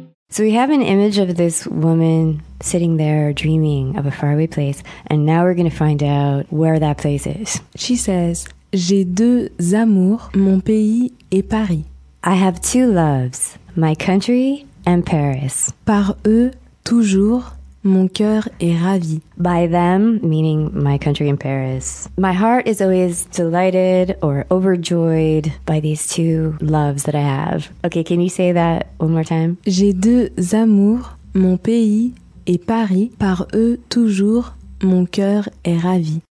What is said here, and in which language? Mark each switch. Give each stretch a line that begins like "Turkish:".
English: So we have an image of this woman sitting there dreaming of a faraway place, and now we're going to find out where that place is. She says,
French: j'ai deux amours, mon pays et Paris.
English: I have two loves, my country and Paris.
French: Par eux, toujours, mon cœur est ravi.
English: By them, meaning my country and Paris, my heart is always delighted or overjoyed by these two loves that I have. Okay, can you say that one more time?
French: J'ai deux amours, mon pays et Paris. Par eux, toujours, mon cœur est ravi.